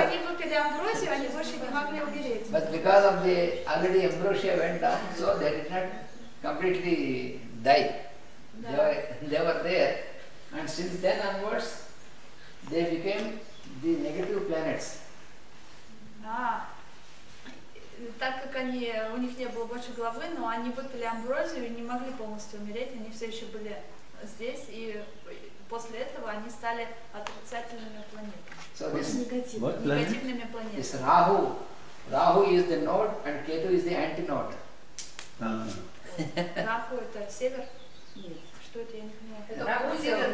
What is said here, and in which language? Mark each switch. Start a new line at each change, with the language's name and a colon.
Russian: Они выпили амбросию, они больше не могли убереть.
English: But because of the already амбросия went down, so they did not completely die. They were there, and since then onwards, they became the negative planets.
Russian: Так как у них не было больше головы, но они выпили амброзию и не могли полностью умереть, они все еще были здесь, и после этого они стали отрицательными планетами.
English: So this,
Russian: негативными планетами.
English: This Rahu. Rahu is the node and Ketu is the anti-node.
Russian: Rahu это север? Нет. Что это, я не понимаю. Это Rahu север,